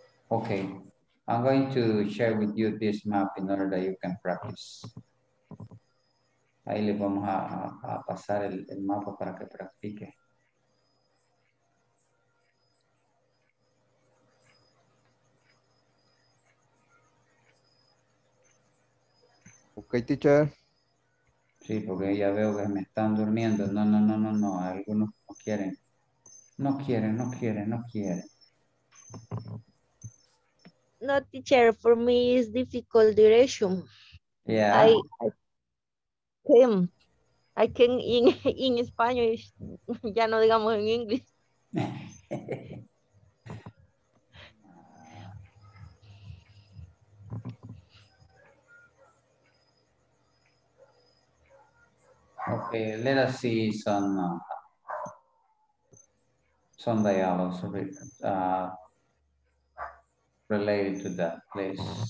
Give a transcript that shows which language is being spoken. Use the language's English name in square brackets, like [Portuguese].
[English] Okay, I'm going to share with you this map in order that you can practice. [Spanish] Ahí le vamos a pasar el mapa para que practique. [English] Okay, teacher. [Spanish] Sí, porque ya veo que me están durmiendo. No. Algunos no quieren. No quieren. [English] No, teacher, for me it's difficult direction. Yeah. I came. I can in Spanish, [Spanish] ya no digamos en inglés. [English] Okay, let us see some dialogues related to that, please.